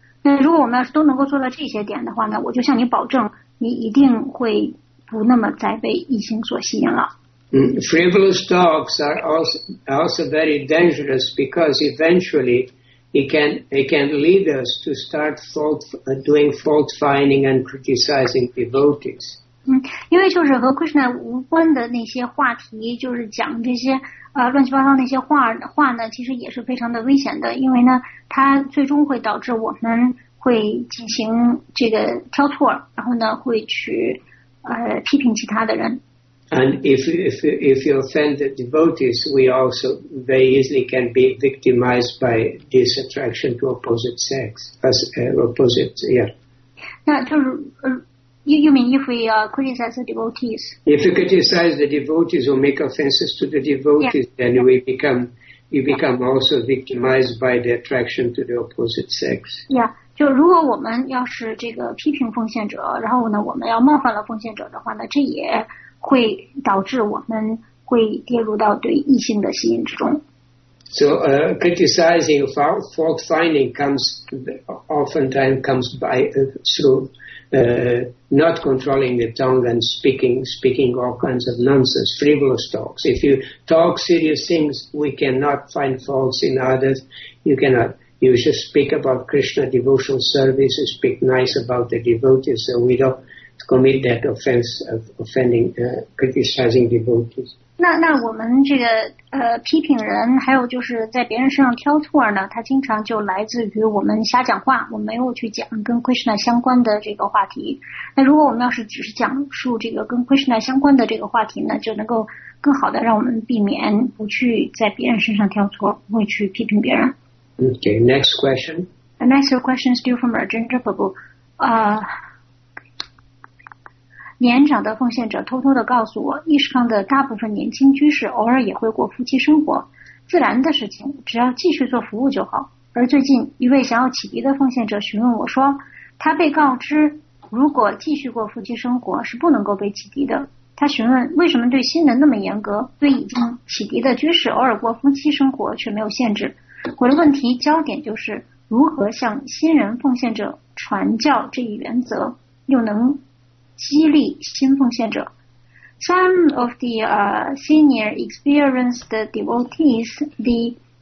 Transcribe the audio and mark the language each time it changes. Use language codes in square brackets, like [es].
[zh] 那如果我们要是都能够做到这些点的话呢，我就向你保证，你一定会不那么再被异性所吸引了。 [en] Frivolous talks are also very dangerous because eventually it can lead us to start doing fault finding and criticizing devotees. [zh] 因为就是和 Krishna 无关的那些话题，就是讲这些。乱七八糟那些话呢，其实也是非常的危险的，因为呢，它最终会导致我们会进行这个挑错，然后呢，会去批评其他的人。 [en] And if you offend the devotees, we also very easily can be victimized by this attraction to opposite sex as opposite, yeah. [zh] 那就是 [en] You mean if we criticize the devotees? If you criticize the devotees or make offenses to the devotees, yeah. Then you become also victimized by the attraction to the opposite sex. [zh] Yeah, 就如果我们要是这个批评奉献者，然后呢，我们要冒犯了奉献者的话呢，这也会导致我们会跌入到对异性的吸引之中。 [en] So criticizing fault finding comes through not controlling the tongue and speaking all kinds of nonsense, frivolous talks. If you talk serious things, we cannot find faults in others. You cannot. You just speak about Krishna devotional service, you speak nice about the devotees, so we don't commit that offense of offending, criticizing devotees. [zh] 那我们这个批评人，还有就是在别人身上挑错呢，他经常就来自于我们瞎讲话，我们没有去讲跟 Krishna 相关的这个话题。那如果我们要是只是讲述这个跟 Krishna 相关的这个话题呢，就能够更好的让我们避免不去在别人身上挑错，不会去批评别人。 [en] Okay, next question. The next question is still from Rajendra Prabhu. [zh] 年长的奉献者偷偷地告诉我，伊士康的大部分年轻居士偶尔也会过夫妻生活，自然的事情，只要继续做服务就好。而最近一位想要启迪的奉献者询问我说，他被告知如果继续过夫妻生活是不能够被启迪的。他询问为什么对新人那么严格，对已经启迪的居士偶尔过夫妻生活却没有限制。我的问题焦点就是如何向新人奉献者传教这一原则，又能 [en] Some of the senior experienced devotees, they